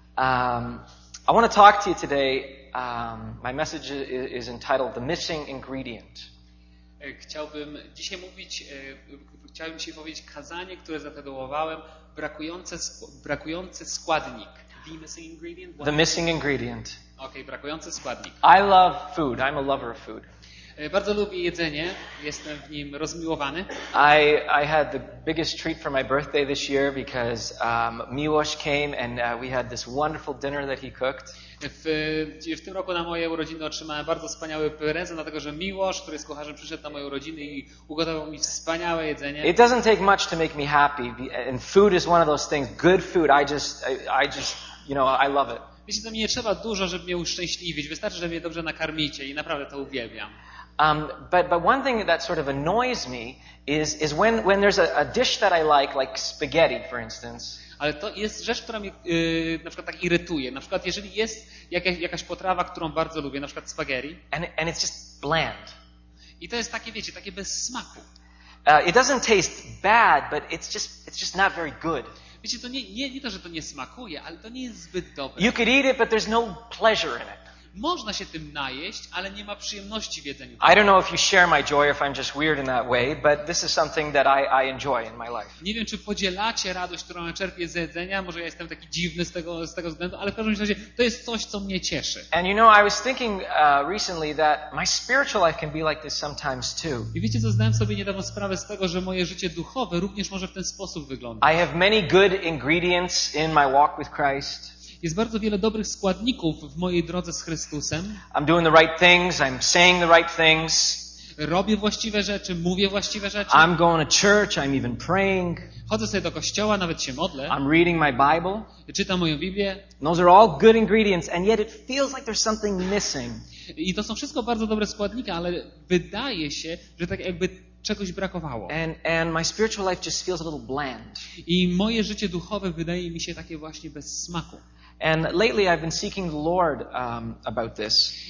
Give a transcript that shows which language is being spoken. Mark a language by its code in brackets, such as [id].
[en] I want to talk to you today. My message is entitled "The Missing Ingredient." [pl] Chciałbym dzisiaj mówić, chciałbym dzisiaj powiedzieć kazanie, które zatytułowałem brakujący składnik. [en] The missing ingredient. The missing ingredient. [pl] Okay, brakujący składnik. [en] I love food. I'm a lover of food. [pl] Bardzo lubię jedzenie. Jestem w nim rozmiłowany. [en] I had the biggest treat for my birthday this year because Miłosz came and we had this wonderful dinner that he cooked. [pl] W tym roku na moje urodziny otrzymałem bardzo wspaniały prezent, dlatego że Miłosz, który jest kucharzem, przyszedł na moje urodziny i ugotował mi wspaniałe jedzenie. [en] It doesn't take much to make me happy, and food is one of those things. Good food, I just, you know, I love it. [pl] Wiecie, to mi nie trzeba dużo, żeby mnie uszczęśliwić. Wystarczy, że mnie dobrze nakarmicie i naprawdę to uwielbiam. [en] But one thing that sort of annoys me is when there's a dish that I like spaghetti, for instance. [pl] Ale to jest rzecz, która mnie na przykład tak irytuje. Na przykład, jeżeli jest jakaś potrawa, którą bardzo lubię, na przykład spaghetti. [en] And it's just bland. [pl] I to jest takie, wiecie, takie bez smaku. [en] It doesn't taste bad, but it's just not very good. [pl] Wiecie, to nie to, że to nie smakuje, ale to nie jest zbyt dobre. [en] You could eat it, but there's no pleasure in it. [pl] Można się tym najeść, ale nie ma przyjemności w jedzeniu. [en] I don't know if you share my joy or if I'm just weird in that way, but this is something that I enjoy in my life. [pl] Nie wiem, czy podzielacie radość, którą ja czerpię z jedzenia, może ja jestem taki dziwny z tego względu, ale w każdym razie to jest coś, co mnie cieszy. [en] And you know, I was thinking recently that my spiritual life can be like this sometimes too. [pl] I wiecie, co zdałem sobie niedawno sprawę z tego, że moje życie duchowe również może w ten sposób wyglądać. [en] I have many good ingredients in my walk with Christ. [pl] Jest bardzo wiele dobrych składników w mojej drodze z Chrystusem. [en] I'm doing the right things, I'm saying the right things. [pl] Robię właściwe rzeczy, mówię właściwe rzeczy. [en] I'm going to church, I'm even praying. [pl] Chodzę sobie do kościoła, nawet się modlę. [en] I'm reading my Bible. [pl] Czytam moją Biblię. [en] Those are all good ingredients, and yet it feels like there's something missing. [pl] I to są wszystko bardzo dobre składniki, ale wydaje się, że tak jakby czegoś brakowało. [en] And my spiritual life just feels a little bland. [pl] I moje życie duchowe wydaje mi się takie właśnie bez smaku. [en] And lately I've been seeking the Lord about this.